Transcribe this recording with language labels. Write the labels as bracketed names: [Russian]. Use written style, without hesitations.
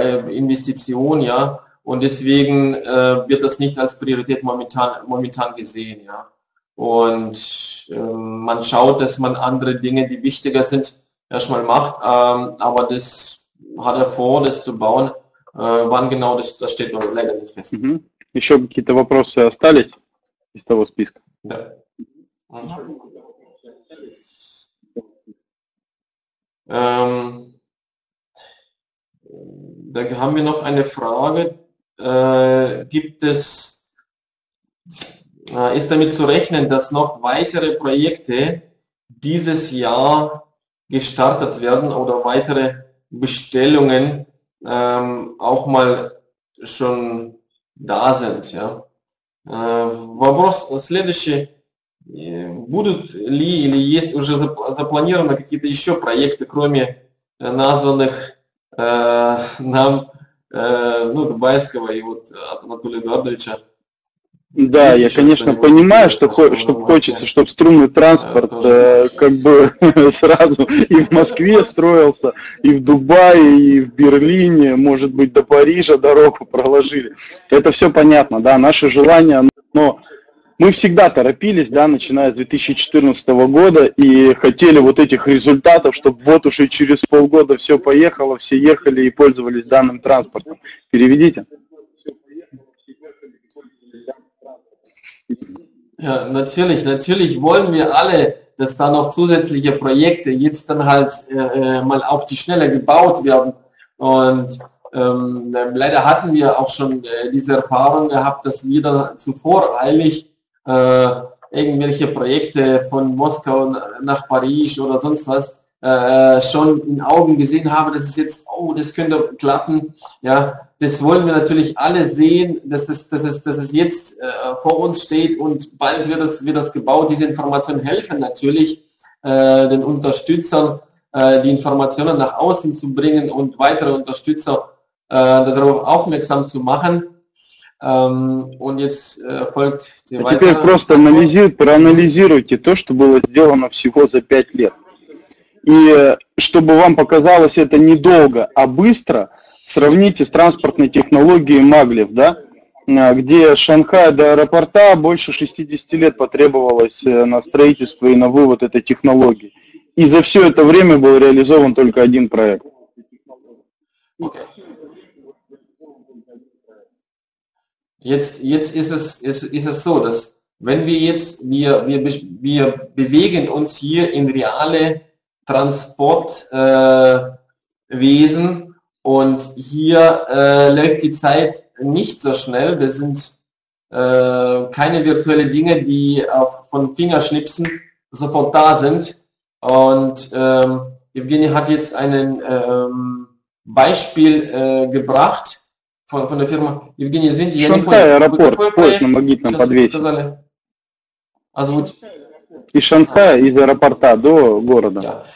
[German] Investition, ja, und deswegen wird das nicht als Priorität momentan gesehen, ja, und man schaut, dass man andere Dinge, die wichtiger sind, erstmal macht, aber das hat er vor, das zu bauen, wann genau, das steht noch leider nicht fest. Mhm. [Russian] Еще какие-то вопросы остались из того списка? Да. [German] Da haben wir noch eine Frage. Gibt es ist damit zu rechnen, dass noch weitere Projekte dieses Jahr gestartet werden oder weitere Bestellungen auch mal schon da sind. [Russian] Ja. Вопрос следующий. Будут ли или есть уже запланированы какие-то еще проекты, кроме названных нам Байского и вот Анатолия Эдуардовича? Да, есть я, конечно, понимаю, что, хочется, чтобы струнный транспорт как бы сразу и в Москве строился, и в Дубае, и в Берлине, может быть, до Парижа дорогу проложили. Это все понятно, да, наше желание, но мы всегда торопились, да, начиная с 2014 года, и хотели вот этих результатов, чтобы вот уже через полгода все поехало, все ехали и пользовались данным транспортом. Переведите. [German] Ja, natürlich, natürlich wollen wir alle, dass da noch zusätzliche Projekte jetzt dann halt mal auf die Schnelle gebaut werden. Und leider hatten wir auch schon diese Erfahrung gehabt, dass wir dann zuvor eilig irgendwelche Projekte von Moskau nach Paris oder sonst was schon in Augen gesehen haben, dass es jetzt, oh, das könnte klappen. Ja, das wollen wir natürlich alle sehen, dass es jetzt vor uns steht und bald wird das gebaut. Diese Informationen helfen natürlich den Unterstützern, die Informationen nach außen zu bringen und weitere Unterstützer darauf aufmerksam zu machen. Und jetzt folgt die weitere. [Russian] Теперь просто проанализируйте то, что было сделано всего за 5 лет. И чтобы вам показалось это недолго, а быстро, сравните с транспортной технологией Maglev, да, где Шанхай до аэропорта больше 60 лет потребовалось на строительство и на вывод этой технологии. И за все это время был реализован только один проект. [German] Jetzt ist es so, dass wenn wir jetzt wir bewegen uns hier in reale Transportwesen und hier läuft die Zeit nicht so schnell. Das sind keine virtuellen Dinge, die von Fingerschnipsen sofort da sind. Und Evgeny hat jetzt ein Beispiel gebracht von der Firma. Evgeny, sind Sie hier? [Russian] Шанхай аэропорт, поезд на магнитном подвесе. [German] Also gut. [Russian] И Шанхай из аэропорта до города.